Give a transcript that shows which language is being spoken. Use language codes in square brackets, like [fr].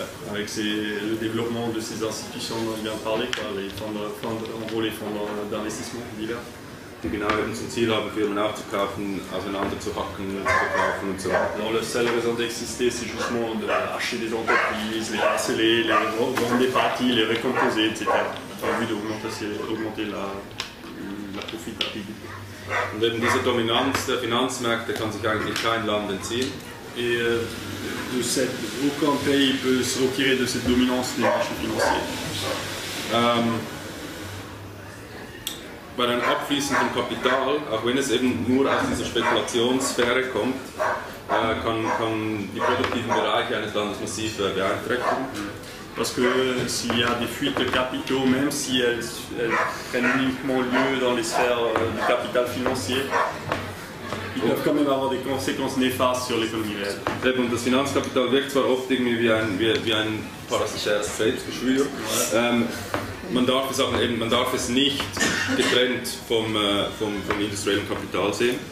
[fr] Avec le développement de ces institutions dont je viens de parler, les fonds d'investissement divers. [de] Die genau eben zum Ziel haben, Firmen aufzukaufen, auseinander zu hacken, zu verkaufen und so weiter. [fr] Non, la seule raison d'exister, c'est justement de lâcher des entreprises, les harceler, les vendre des parties, les recomposer, etc. En vue d'augmenter la profitabilité. [de] Und eben diese Dominanz der Finanzmärkte kann sich eigentlich kein Land entziehen. [fr] et de cette, aucun pays peut se retirer de cette dominance des marchés financiers. [de] Weil ein Abfließen von Kapital, auch wenn es eben nur aus dieser Spekulationssphäre kommt, kann die produktiven Bereiche eines Landes massiv beeinträchtigen. [fr] Parce que s'il y a des fuites de capitaux, même si elles prennent uniquement lieu dans les sphères du capital financier, ils peuvent quand même avoir des conséquences néfastes sur l'économie réelle. Et bon, le [de] Finanzkapital wirkt zwar oft irgendwie wie ein parasitaires Selbstgeschwür. Man darf es nicht getrennt vom industriellen Kapital sehen.